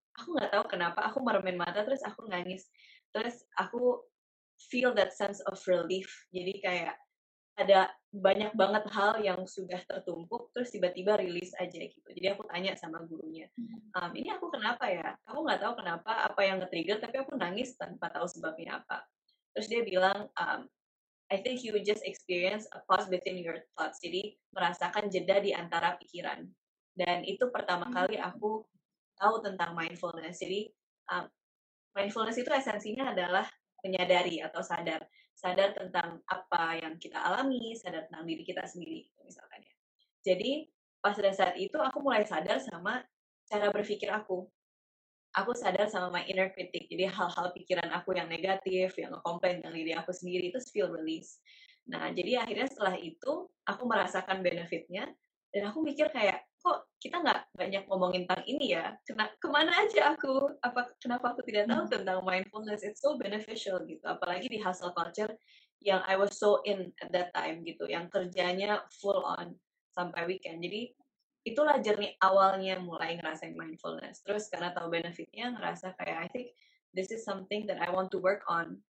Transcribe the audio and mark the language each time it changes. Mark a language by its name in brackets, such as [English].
[Indonesian] Aku gak tahu kenapa, aku meremin mata, terus aku nangis. Terus aku [English] feel that sense of relief, [Indonesian] jadi kayak ada banyak banget hal yang sudah tertumpuk, terus tiba-tiba rilis aja gitu. Jadi aku tanya sama gurunya, ini aku kenapa ya? Kamu gak tahu kenapa, apa yang nge-trigger, tapi aku nangis tanpa tahu sebabnya apa. Terus dia bilang, [English] I think you just experience a pause between your thoughts. [Indonesian] Jadi merasakan jeda di antara pikiran. Dan itu pertama kali aku tahu tentang mindfulness. Jadi mindfulness itu esensinya adalah menyadari atau sadar. Sadar tentang apa yang kita alami, sadar tentang diri kita sendiri, misalkan. Jadi, pas pada saat itu, aku mulai sadar sama cara berpikir aku. Aku sadar sama [English] my inner critic. [Indonesian] Jadi, hal-hal pikiran aku yang negatif, yang nge-complain tentang diri aku sendiri, itu [English] feel release. [Indonesian] Nah, jadi akhirnya setelah itu, aku merasakan benefitnya, dan aku mikir kayak, kok kita nggak banyak ngomongin tentang ini ya? Kemana aja aku? Kenapa aku tidak tahu tentang mindfulness? [English] It's so beneficial [Indonesian] gitu. Apalagi di [English] hustle culture [Indonesian] yang [English] I was so in at that time [Indonesian] gitu. Yang kerjanya full on sampai weekend. Jadi itulah journey awalnya mulai ngerasain mindfulness. Terus karena tahu benefitnya, ngerasa kayak [English] I think this is something that I want to work on.